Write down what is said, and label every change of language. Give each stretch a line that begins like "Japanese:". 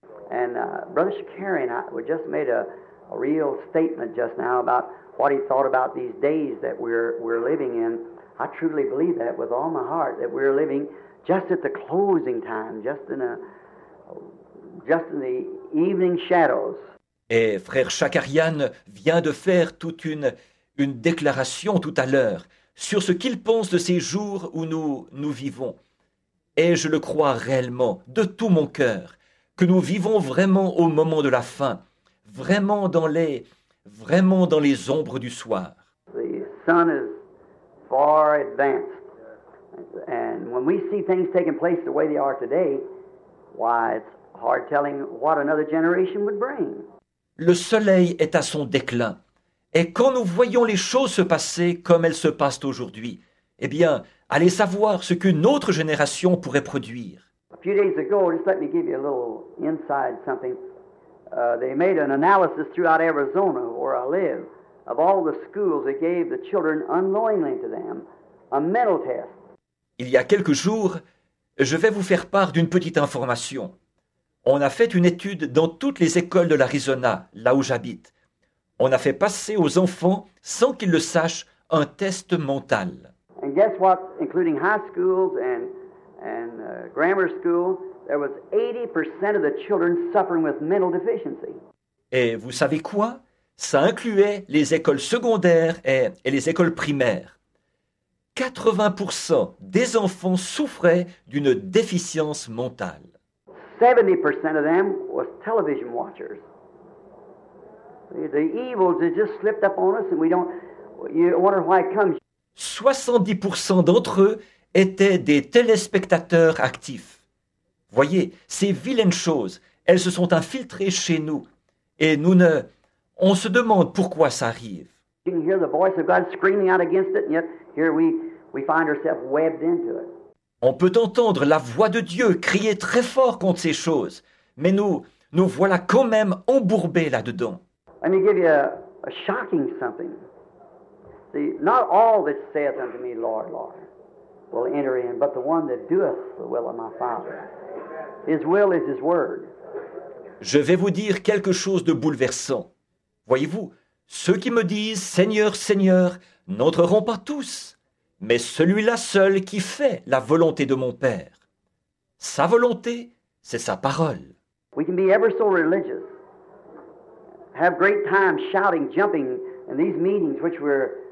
English: And Brother Shakarian, we just made a real statement just now about what he thought about these days that we're living in. I truly believe that with all my heart that we're living just at the closing time, just in the evening shadows.
French: Et frère Shakarian vient de faire toute une déclaration tout à l'heure sur ce qu'il pense de ces jours où nous vivons. Et je le crois réellement de tout mon cœur. Que nous vivons vraiment au moment de la fin, vraiment dans les ombres du soir.
English: The sun is far advanced, And when we see things taking place the way they are today, why, it's hard telling what another generation would bring.
French: Le soleil est à son déclin. Et quand nous voyons les choses se passer comme elles se passent aujourd'hui, eh bien, allez savoir ce qu'une autre génération pourrait produire.
English: A few days ago, just let me give you a little inside something. They made an analysis throughout Arizona, where I live, of all the schools that gave the children unknowingly to them a mental test.
French: Il y a quelques jours, je vais vous faire part d'une petite information. On a fait une étude dans toutes les écoles de l'Arizona, là où j'habite. On a fait passer aux enfants, sans qu'ils le sachent, un test mental.
English: And guess what, including high schools and grammar school, there was 80% of the children suffering with mental deficiency.
French: Et vous savez quoi? Ça incluait les écoles secondaires et les écoles primaires. 80% des enfants souffraient d'une déficience mentale.
English: 70% of them was television watchers. The evils that just slipped up on us and we don't, you wonder why it comes.
French: 70% d'entre eux étaient des téléspectateurs actifs. Voyez, ces vilaines choses, elles se sont infiltrées chez nous. Et nous ne... On se demande pourquoi ça arrive.
English: You can hear the voice of God screaming out against it, and yet here we find ourselves webbed into it.
French: On peut entendre la voix de Dieu crier très fort contre ces choses, mais nous voilà quand même embourbés là-dedans.
English: Let me give you a shocking something. See, not all that saith unto me, Lord, Lord, will enter in, but the one that doeth the will of my Father. His will is his word.
French: Je vais vous dire quelque chose de bouleversant. Voyez-vous, ceux qui me disent « Seigneur, Seigneur » n'entreront pas tous, mais celui-là seul qui fait la volonté de mon Père. Sa volonté, c'est sa parole.
English: We can be ever so religious, have great time shouting, jumping in these meetings which we're...